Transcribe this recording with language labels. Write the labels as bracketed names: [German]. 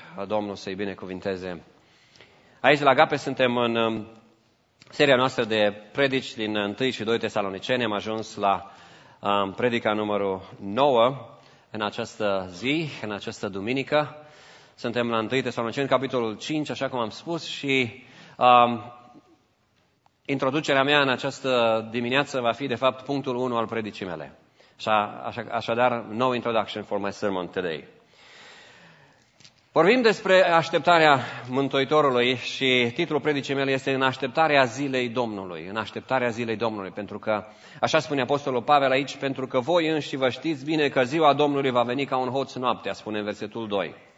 [Romanian] Domnul să-i binecuvinteze. Aici la Agape suntem în seria noastră de predici din 1 și 2 Tesaloniceni. Am ajuns la predica numărul 9 în această zi, în această duminică. Suntem la 1 Tesaloniceni, capitolul 5, așa cum am spus, și introducerea mea în această dimineață va fi, de fapt, punctul 1 al predicii mele. Așadar, [English] no introduction for my sermon today. [Romanian] Vorbim despre așteptarea Mântuitorului și titlul predicii mele este în așteptarea zilei Domnului. În așteptarea zilei Domnului, pentru că, așa spune Apostolul Pavel aici, pentru că voi înși vă știți bine că ziua Domnului va veni ca un hoț noaptea, spune în versetul 2.